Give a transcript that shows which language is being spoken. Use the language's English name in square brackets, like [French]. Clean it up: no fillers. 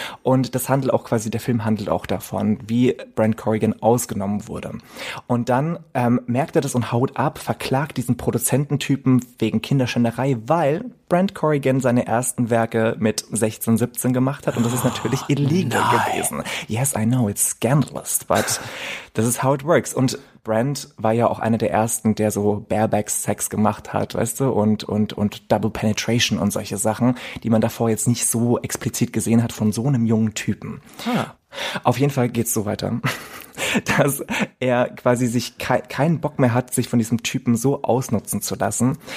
[German] Und der Film handelt auch davon, wie Brent Corrigan ausgenommen wurde. Und dann merkt er das und haut ab, verklagt diesen Produzententypen wegen Kinderschänderei, weil Brent Corrigan seine ersten Werke mit 16, 17 gemacht hat. Und das ist natürlich illegal gewesen. [English] Yes, I know, it's scandalous, but this is how it works. [German] Und Brent war ja auch einer der ersten, der so Bareback-Sex gemacht hat, weißt du, und Double Penetration und solche Sachen, die man davor jetzt nicht so explizit gesehen hat von so einem jungen Typen. Auf jeden Fall geht's so weiter, dass er quasi sich keinen Bock mehr hat, sich von diesem Typen so ausnutzen zu lassen.